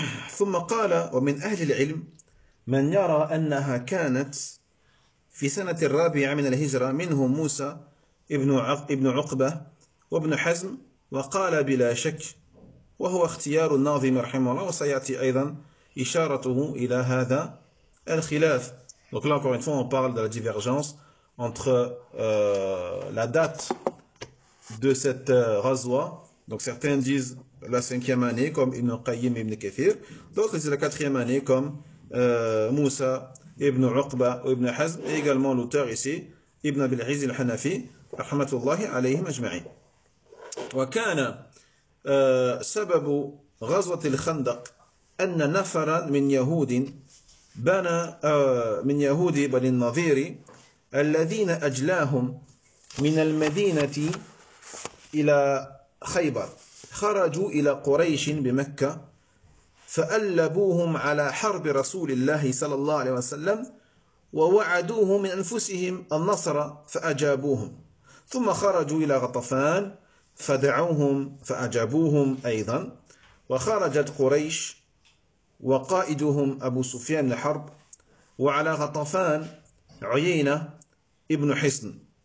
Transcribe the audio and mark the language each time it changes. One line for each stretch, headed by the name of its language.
Arabic: ثم قال ومن أهل العلم من يرى أنها كانت في سنة الرابعة من الهجرة منهم موسى ابن عقبة وابن حزم وقال بلا شك وهو اختيار الناظم رحمه الله وسيأتي أيضا إشارته إلى هذا الخلاف.
French: Donc là encore une fois on parle de la divergence entre la date de cette ghazwa. Donc certains disent la cinquième année comme Ibn Qayyim Ibn Kathir, d'autres c'est la quatrième année comme Moussa Ibn Uqba ou Ibn Hazm, et également l'auteur ici Ibn Abil Aziz Al Hanafi rahmatullahi alayhi majma'i.
Arabic: Wa kana sababu ghazwat al khandaq anna nafaran min yahudin bana min yahudi bani an-nadhir alladhina ajlahum min al-madinati ila خيبر خرجوا إلى قريش بمكة فألبوهم على حرب رسول الله صلى الله عليه وسلم ووعدوهم من أنفسهم النصر فأجابوهم ثم خرجوا إلى غطفان فدعوهم فأجابوهم أيضا وخرجت قريش وقائدهم أبو سفيان الحرب وعلى غطفان عيينة ابن حصن